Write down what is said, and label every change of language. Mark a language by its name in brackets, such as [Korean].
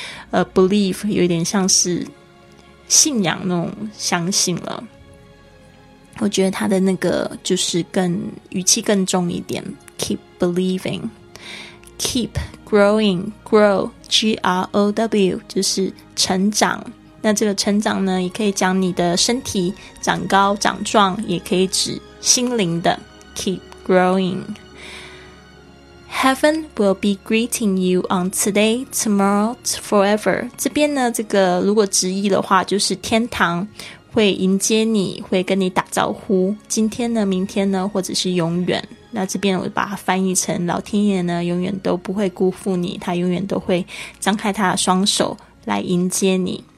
[Chinese] Believe 有一点像是信仰那种相信了，我觉得它的那个就是更语气更重一点。 [English] Keep believing， keep growing， grow G-R-O-W [Chinese] 就是成长。那这个成长呢也可以讲你的身体长高长壮，也可以指心灵的。 [English] Keep growingHeaven will be greeting you on today, tomorrow, forever. [Chinese] 这边呢，这个如果直译的话，就是天堂会迎接你，会跟你打招呼。今天呢，明天呢，或者是永远。那这边我把它翻译成老天爷呢，永远都不会辜负你，他永远都会张开他的双手来迎接你。